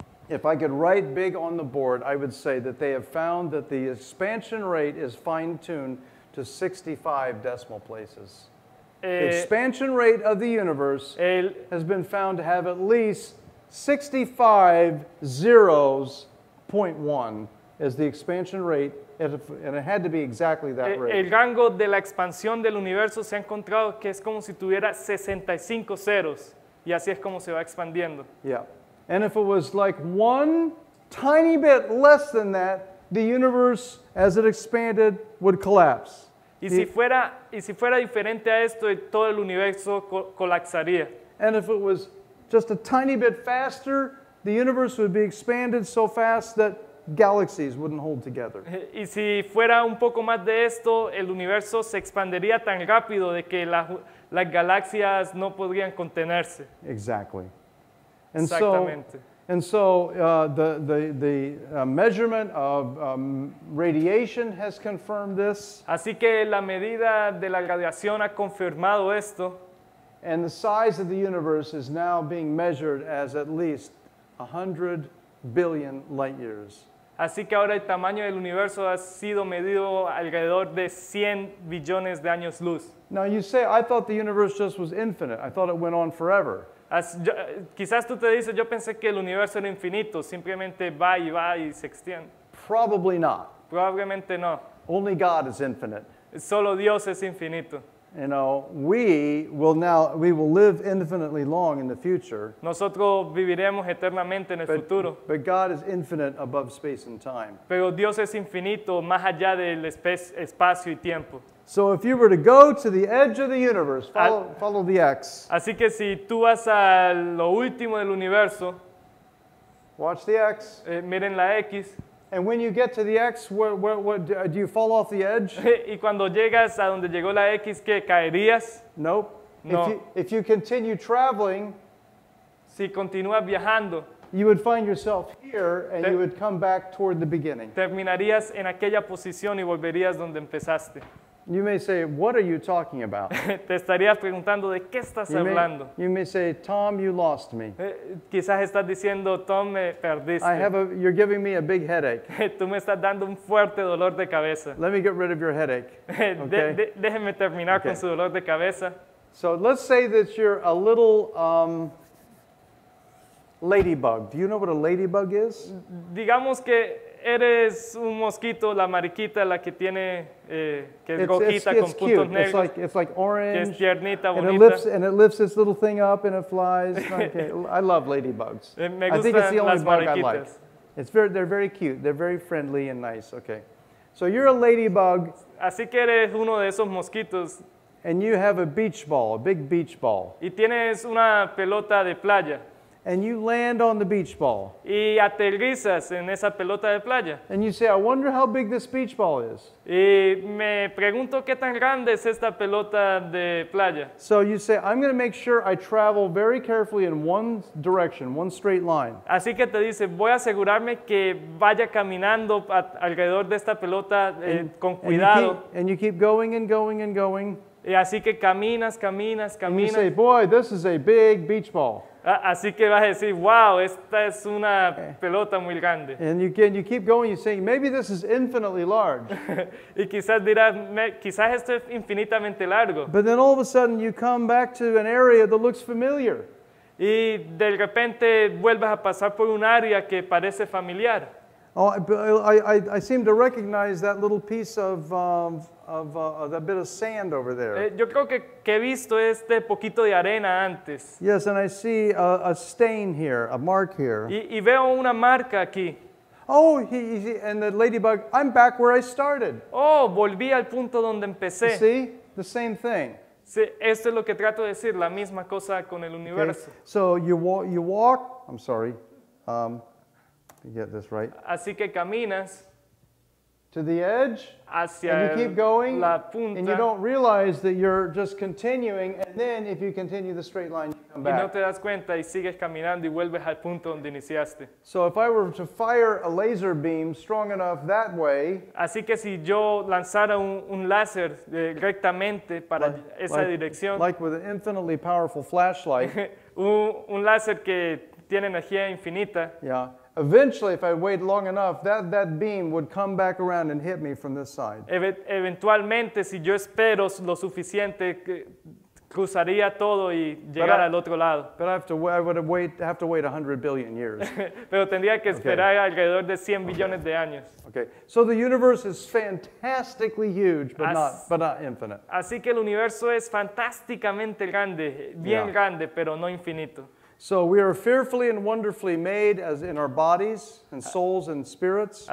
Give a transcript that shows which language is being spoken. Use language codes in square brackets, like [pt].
[en] If I could write big on the board, I would say that they have found that the expansion rate is fine-tuned to 65 decimal places. The expansion rate of the universe has been found to have at least 65.1 as the expansion rate, and it had to be exactly that rate. [es] El rango de la expansión del universo se ha encontrado que es como si tuviera 65 ceros, y así es como se va expandiendo. [en] Yeah. And if it was like one tiny bit less than that, the universe, as it expanded, would collapse. [es] Y si fuera diferente a esto, todo el universo colapsaría. [en] And if it was just a tiny bit faster, the universe would be expanded so fast that galaxies wouldn't hold together. [es] Y si fuera un poco más de esto, el universo se expandería tan rápido de que las galaxias no podrían contenerse. [en] Exactly. [es] And exactamente. [en] So the measurement of radiation has confirmed this. [es] Así que la medida de la radiación ha confirmado esto. [en] And the size of the universe is now being measured as at least 100 billion light years. [es] Así que ahora el tamaño del universo ha sido medido alrededor de 100 billones de años luz. [en] Now you say, I thought the universe just was infinite. I thought it went on forever. [es] Quizás tú te dices, yo pensé que el universo era infinito, simplemente va y se extiende. [en] Probably not. [es] Probablemente no. [en] Only God is infinite. [es] Solo Dios es infinito. [en] You know, we will live infinitely long in the future. [es] Nosotros viviremos eternamente en el futuro. [en] But God is infinite above space and time. [es] Pero Dios es infinito más allá del espacio y tiempo. [en] So if you were to go to the edge of the universe, follow the X. [es] Así que si tú vas a lo último del universo, [en] watch the X. [es] Miren la X. [en] And when you get to the X, what do you fall off the edge? [es] Y cuando llegas a donde llegó la X, ¿qué caerías? [en] Nope. [es] No. [en] If you continue traveling, [es] si continúas viajando, [en] you would find yourself here and you would come back toward the beginning. [es] Terminarías en aquella posición y volverías donde empezaste. [en] You may say, what are you talking about? [es] Te estarías preguntando, ¿de qué estás hablando? [en] You may say, Tom, you lost me. [es] Quizás estás diciendo, Tom, me perdiste. [en] You're giving me a big headache. [es] Tú me estás dando un fuerte dolor de cabeza. [en] Let me get rid of your headache. [es] Déjeme terminar con su dolor de cabeza. [en] So let's say that you're a little ladybug. Do you know what a ladybug is? [es] Digamos que eres un mosquito, la mariquita, la que tiene, que es rojita con puntos Negros. [en] It's like orange. [es] Que es tiernita, bonita. [en] And it lifts this little thing up and it flies. Okay. I love ladybugs. [es] Me gustan [en] I think it's the only bug [es] mariquitas. [en] I like. They're very cute. They're very friendly and nice. Okay. So you're a ladybug. [es] Así que eres uno de esos mosquitos. [en] And you have a beach ball, a big beach ball. [es] Y tienes una pelota de playa. [en] And you land on the beach ball. [es] Y aterrizas en esa pelota de playa. [en] And you say, I wonder how big this beach ball is. [es] Y me pregunto qué tan grande es esta pelota de playa. [en] So you say, I'm going to make sure I travel very carefully in one direction, one straight line. [es] Así que te dice, voy a asegurarme que vaya caminando alrededor de esta pelota con cuidado. [en] And you keep going and going and going. [es] Y así que caminas, caminas, caminas. [en] And you say, boy, this is a big beach ball. [es] Así que vas a decir, wow, esta es una pelota muy grande. [en] And you keep going, you say, maybe this is infinitely large. [es] Y quizás dirás, quizás esto es infinitamente largo. [en] But then all of a sudden you come back to an area that looks familiar. [es] Y de repente vuelves a pasar por un área que parece familiar. [en] Oh, I seem to recognize that little piece of that bit of sand over there. [es] Yo creo que he visto este poquito de arena antes. [en] Yes, and I see a stain here, a mark here. [es] Y veo una marca aquí. [en] Oh, and the ladybug, I'm back where I started. [es] Oh, volví al punto donde empecé. [en] You see? The same thing. [es] Sí, esto es lo que trato de decir, la misma cosa con el universo. [en] Okay. So you walk, I'm sorry, you get this right. [es] Así que caminas [en] to the edge, [es] hacia [en] and you keep going, [es] la punta, [en] and you don't realize that you're just continuing, and then if you continue the straight line, you come back. [es] Y no te das cuenta y sigues caminando y vuelves al punto donde iniciaste. [en] So if I were to fire a laser beam strong enough that way, [es] así que si yo lanzara un láser directamente para esa dirección, [en] like with an infinitely powerful flashlight, [es] un láser que tiene energía infinita, [en] yeah. Eventually, if I wait long enough, that beam would come back around and hit me from this side. [es] Eventualmente, si yo espero lo suficiente, cruzaría todo y llegara al otro lado. [en] But I have to wait 100 billion years. [es] Pero tendría que esperar alrededor de 100 billones de años. [en] Okay. So the universe is fantastically huge, but not infinite. [es] Así que el universo es fantásticamente grande, bien grande, pero no infinito. [en] So we are fearfully and wonderfully made as in our bodies and souls and spirits.